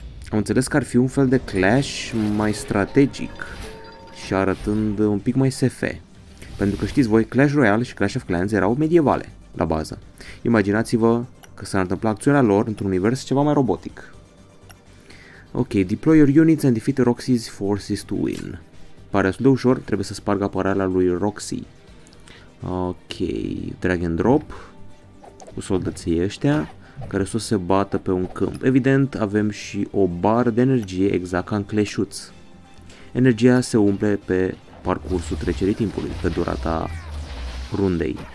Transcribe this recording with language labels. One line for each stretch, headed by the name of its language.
Romanian: Am înțeles că ar fi un fel de Clash mai strategic și arătând un pic mai SF. Pentru că știți voi, Clash Royale și Clash of Clans erau medievale la bază. Imaginați-vă că s-ar întâmpla acțiunea lor într-un univers ceva mai robotic.
English: Ok, deploy your units and defeat Roxy's forces to win.
Romanian: Pare destul de ușor, trebuie să spargă apărarea lui Roxy. Ok, drag and drop cu soldații ăștia care s-o se bată pe un câmp. Evident, avem și o bară de energie exact ca în Clash-uți. Energia se umple pe parcursul trecerii timpului, pe durata rundei.